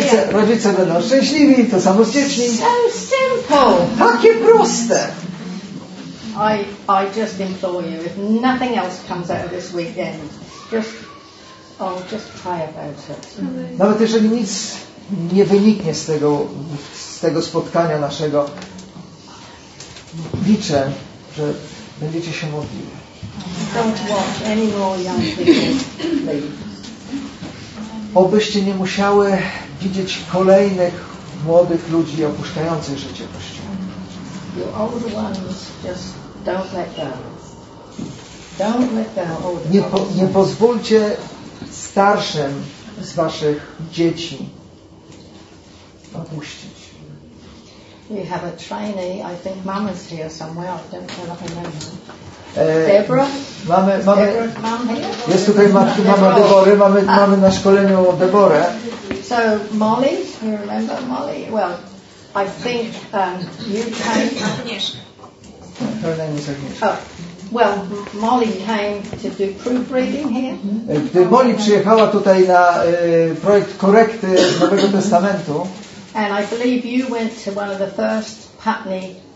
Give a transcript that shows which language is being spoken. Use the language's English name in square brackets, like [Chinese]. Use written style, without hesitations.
[Polish] Rodzice będą szczęśliwi, to samo z dziećmi. [English] So simple. [Polish] Takie proste. [English] I just implore you, if nothing else comes out of this weekend, just pray about it. [Polish] Nawet jeżeli nic nie wyniknie z tego spotkania naszego, liczę, że będziecie się modlić. [English] Don't watch any more young people. [Polish] Obyście nie musiały widzieć kolejnych młodych ludzi opuszczających życie Kościoła. [English] You older ones, just don't let go. Don't let go. [Polish] Nie pozwólcie starszym z waszych dzieci opuścić. [English] We have a trainee. I think Mama's here somewhere. I don't know if I know her. Deborah? [Polish] Mamy, jest tutaj mama Debory. Mamy na szkoleniu Deborę. [English] So Molly, you remember Molly? Well, I think you came. Her name is Agnieszka. Oh. Well, Molly came to do proofreading here. [Polish] Gdy Molly przyjechała tutaj na projekt korekty Nowego Testamentu. [English] And I believe you went to one of the first Putney